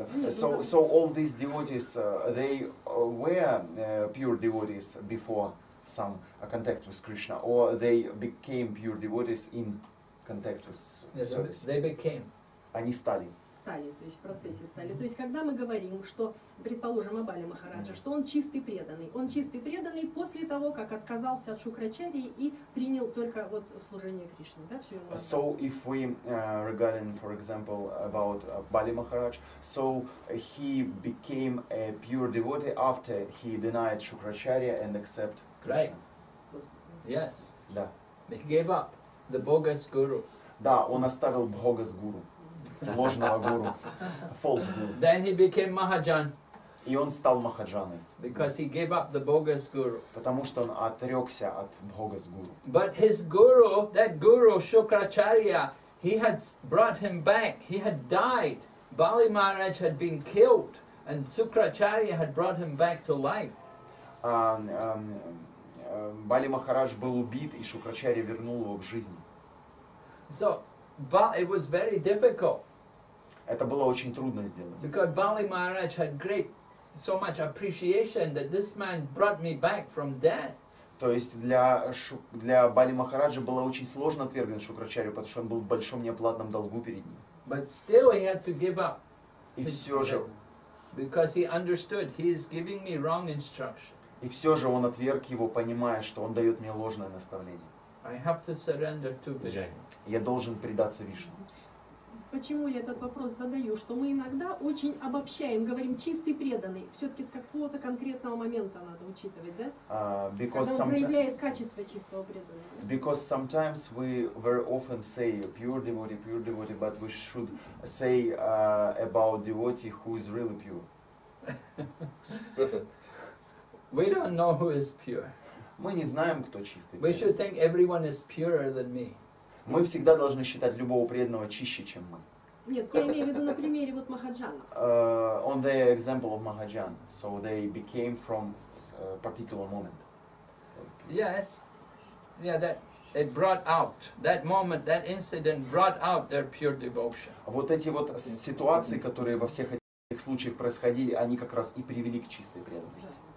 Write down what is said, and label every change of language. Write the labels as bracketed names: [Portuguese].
[English] So all these devotees, they were pure devotees before some contact with Krishna, or they became pure devotees in contact with service? They became. [Russian] Они стали. Стали, то есть в процессе стали. Mm-hmm. То есть когда мы говорим, что, предположим, о Бали Махараджа, mm-hmm. что он чистый преданный после того, как отказался от Шукрачарьи и принял только вот служение Кришне, да, все его. [English] So if we regarding, for example, about Бали Махарадж, so he became a pure devotee after he denied Шукрачарья and accept Krishna. Right. Yes. [Russian] Да. [English] Yeah. He gave up the bogus guru. [Russian] Да, он оставил [English] bogus guru. [Russian] Ложного гуру, [English] false guru. Then he became Mahajan. [Russian] И он стал Махаджаной. [English] Because he gave up the bogus guru. [Russian] Потому что он отрекся от [English] bogus guru. But his guru, that guru Shukracharya, he had brought him back. He had died. Bali Maharaj had been killed, and Shukracharya had brought him back to life. [Russian] Бали Махарадж был убит, и Шукрачарья вернул его к жизни. [English] So. But it was very difficult. [Russian] Это было очень трудно сделать. [English] Because Bali Maharaj had great, so much appreciation that this man brought me back from death. [Russian] То есть для Бали Махараджа было очень сложно отвергнуть Шукрачарью, потому что он был в большом неоплатном долгу перед ним. [English] But still he had to give up. [Russian] И все же. [English] Because he understood he is giving me wrong instruction. [Russian] И все же он отверг его, понимая, что он дает мне ложное наставление. [English] I have to surrender to Vishnu. [Russian] Я должен предаться Вишну. Почему я этот вопрос задаю? Что мы иногда очень обобщаем, говорим чистый преданный. Все-таки с какого-то конкретного момента надо учитывать, да? [English] Because [Russian] когда он проявляет качество чистого преданного. [English] Because sometimes we very often say pure devotee, but we should say about devotee who is really pure. We don't know who is pure. [Russian] Мы не знаем, кто чистый. [English] We should think everyone is purer than me. [Russian] Мы всегда должны считать любого преданного чище, чем мы. Нет, я имею в виду на примере вот Махаджан. [English] On the example of Mahajan, so they became from a particular moment. Yes. Yeah, that It brought out that moment, that incident brought out their pure devotion. [Russian] Вот эти вот ситуации, которые во всех этих случаях происходили, они как раз и привели к чистой преданности.